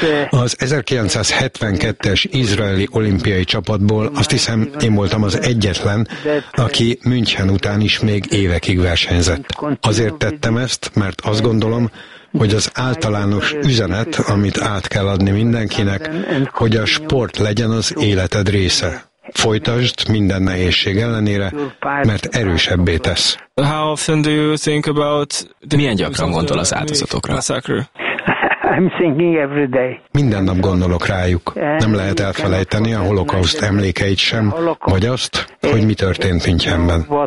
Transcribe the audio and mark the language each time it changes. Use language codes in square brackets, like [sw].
[hu] Az 1972-es izraeli olimpiai csapatból azt hiszem én voltam az egyetlen, aki München után is még évekig versenyzett. Azért tettem ezt, mert azt gondolom, hogy az általános üzenet, amit át kell adni mindenkinek, hogy a sport legyen az életed része. Folytasd minden nehézség ellenére, mert erősebbé tesz. [en] How often do you think about the... [hu] Milyen gyakran gondol az áldozatokra? [en] I'm thinking every day. [hu] Minden nap gondolok rájuk. Nem lehet elfelejteni a holokauszt emlékeit sem, vagy azt, hogy mi történt Münchenben.